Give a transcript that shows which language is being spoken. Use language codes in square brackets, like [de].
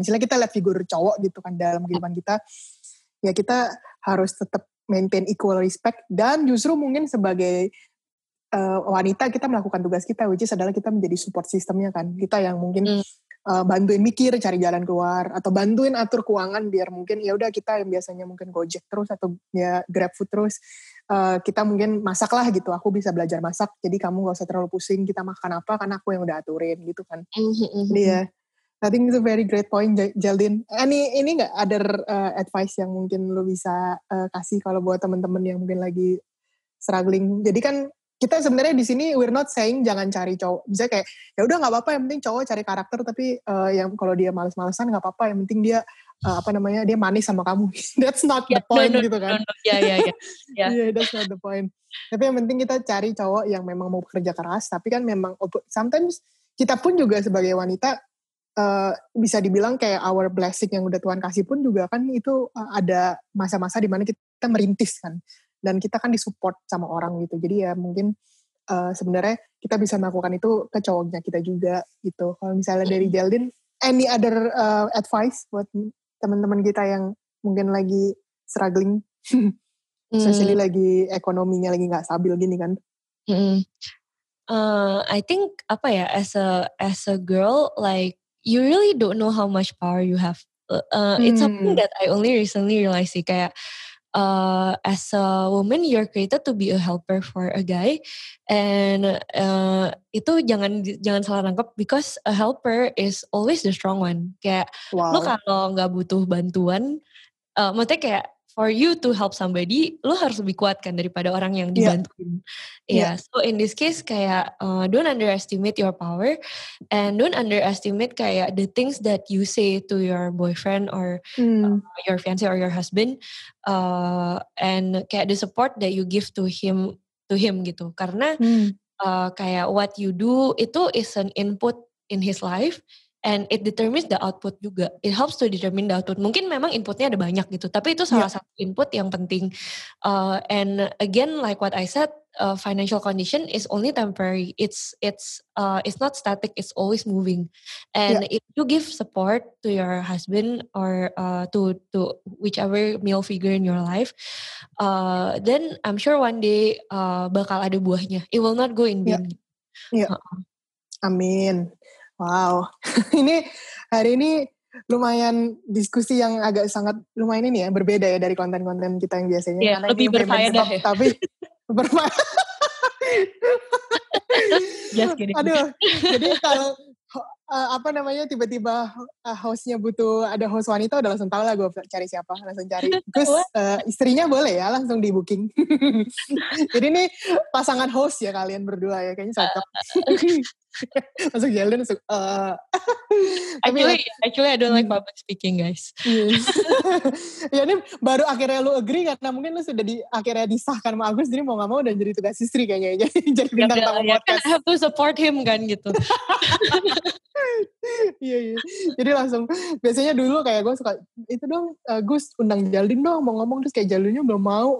[id] Istilahnya kita lihat figur cowok gitu kan dalam kehidupan kita, ya kita harus tetap [en] maintain equal respect, [id] dan justru mungkin sebagai wanita kita melakukan tugas kita, [en] which is [id] adalah kita menjadi support systemnya kan, kita yang mungkin bantuin mikir cari jalan keluar atau bantuin atur keuangan biar mungkin ya udah kita yang biasanya mungkin Gojek terus atau ya GrabFood terus kita mungkin masak lah gitu, aku bisa belajar masak jadi kamu gak usah terlalu pusing kita makan apa karena aku yang udah aturin gitu kan. [en] Iya, I think it's a very great point, Jaldin. [id] Ini gak ada advice yang mungkin lu bisa kasih kalau buat temen-temen yang mungkin lagi struggling? Jadi kan kita sebenarnya di sini [en] we're not saying [id] jangan cari cowok. Misalnya kayak ya udah nggak apa-apa, yang penting cowok cari karakter, tapi yang kalau dia malas-malasan nggak apa-apa, yang penting dia dia manis sama kamu. [en] That's not the point gitu kan? Yeah, that's not the point. [id] Tapi yang penting kita cari cowok yang memang mau bekerja keras. Tapi kan memang sometimes kita pun juga sebagai wanita bisa dibilang kayak [en] our blessing [id] yang udah Tuhan kasih pun juga kan itu ada masa-masa di mana kita merintis kan. Dan kita kan disupport sama orang gitu. Jadi ya mungkin sebenarnya kita bisa melakukan itu ke cowoknya kita juga gitu. Kalau misalnya dari Jaldin, [en] any other advice [id] buat teman-teman kita yang mungkin lagi struggling? Especially lagi ekonominya lagi gak stabil gini kan? [en] I think [id] apa ya, [en] as a girl, like you really don't know how much power you have. It's something that I only recently realized [id] sih kayak, [en] as a woman, you're created to be a helper for a guy, and [id] itu jangan salah nangkep, [en] because a helper is always the strong one. [id] Kayak lo kalau nggak butuh bantuan, maksudnya kayak [en] for you to help somebody, [id] lo harus lebih kuat kan daripada orang yang dibantuin. [en] So in this case, kayak don't underestimate your power, and don't underestimate kayak the things that you say to your boyfriend or your fiance or your husband, and kayak the support that you give to him gitu. [id] Karena kayak [en] what you do itu is an input in his life. And it determines the output juga. It helps to determine the output. [id] Mungkin memang inputnya ada banyak gitu. Tapi itu salah satu input yang penting. [en] And again, like what I said, financial condition is only temporary. It's not static. It's always moving. And if you give support to your husband or to whichever male figure in your life, then I'm sure one day [id] bakal ada buahnya. [en] It will not go in vain. [id] Amin. Wow, ini hari ini lumayan diskusi yang agak sangat lumayan ini ya, berbeda ya dari konten-konten kita yang biasanya. Iya, yeah, lebih berfaedah ya. Tapi, berfaedah. [en] Just kidding. [id] Aduh, jadi kalau tiba-tiba hostnya butuh ada host wanita, udah langsung tau lah gue cari siapa, langsung cari. Terus istrinya boleh ya, langsung di booking. Jadi ini pasangan host ya kalian berdua ya, kayaknya cocok. Masuk jalan, masuk. [en] Actually, I don't like public speaking, guys. [id] Ya ini baru akhirnya lu agree karena mungkin lu sudah akhirnya disahkan sama Agus, jadi mau nggak mau udah jadi tugas istri kayaknya. Jadi bintang tamu podcast. [en] I have to support him kan gitu. [id] Iya. Jadi langsung biasanya dulu kayak gue suka itu dong, Gus undang Jaldin dong mau ngomong, terus kayak Jaldinnya belum mau.